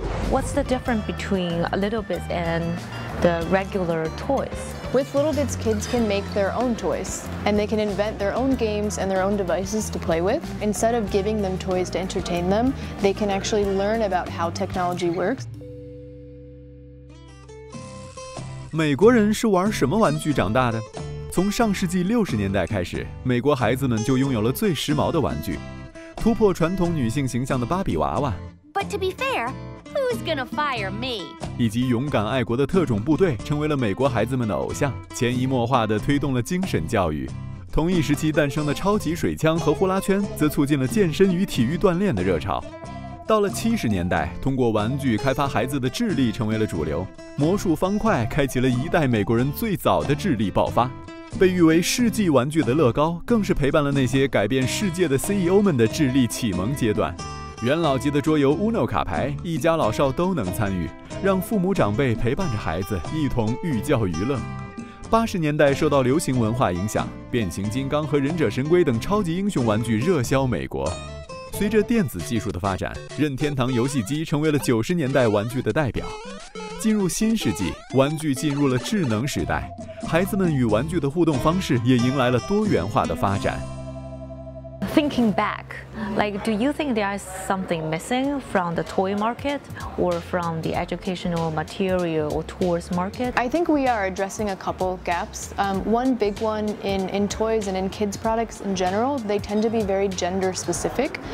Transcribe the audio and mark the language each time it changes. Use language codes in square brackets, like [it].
[en] What's the difference between a little bit and the regular toys? With little bits, kids can make their own toys and they can invent their own games and their own devices to play with. Instead of giving them toys to entertain them, they can actually learn about how technology works. [zh] 美国人是玩什么玩具长大的？从上世纪60年代开始，美国孩子们就拥有了最时髦的玩具，突破传统女性形象的芭比娃娃 [en] But to be fair, who's gonna fire me? [zh] 以及勇敢爱国的特种部队成为了美国孩子们的偶像，潜移默化地推动了精神教育。同一时期诞生的超级水枪和呼啦圈则促进了健身与体育锻炼的热潮。到了70年代，通过玩具开发孩子的智力成为了主流，魔术方块开启了一代美国人最早的智力爆发。被誉为世纪玩具的乐高更是陪伴了那些改变世界的 CEO 们的智力启蒙阶段，元老级的桌游 Uno 卡牌一家老少都能参与，让父母长辈陪伴着孩子一同寓教于乐。 80年代受到流行文化影响，变形金刚和忍者神龟等超级英雄玩具热销美国。随着电子技术的发展，任天堂游戏机成为了90年代玩具的代表。进入新世纪，玩具进入了智能时代，孩子们与玩具的互动方式也迎来了多元化的发展。 [en] Thinking back, like, do you think there is something missing from the toy market or from the educational material or tools market? I think we are addressing a couple gaps. One big one in toys and in kids products in general, they tend to be very gender specific.